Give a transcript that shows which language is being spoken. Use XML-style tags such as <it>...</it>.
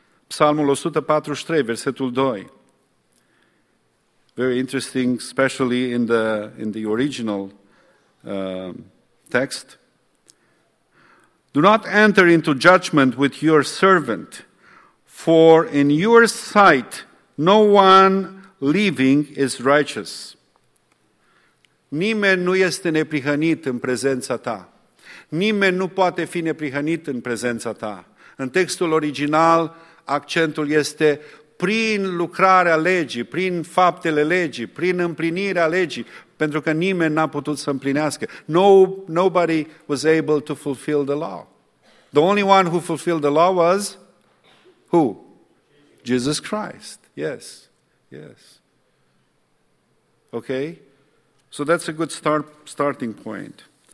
<en>Psalmul 143, versetul 2. Very interesting, especially in the original text. Do not enter into judgment with your servant, for in your sight no one living is righteous.</en> <ro>Nimeni nu este neprihănit în prezența ta. Nimeni nu poate fi neprihănit în prezența ta. În textul original, accentul este prin lucrarea legii, prin faptele legii, prin împlinirea legii, pentru că nimeni n-a putut să împlinească.</ro> <en>No, nobody was able to fulfill the law. The only one who fulfilled the law was who? Jesus Christ. Yes, yes. Okay? So that's a good starting point.</en>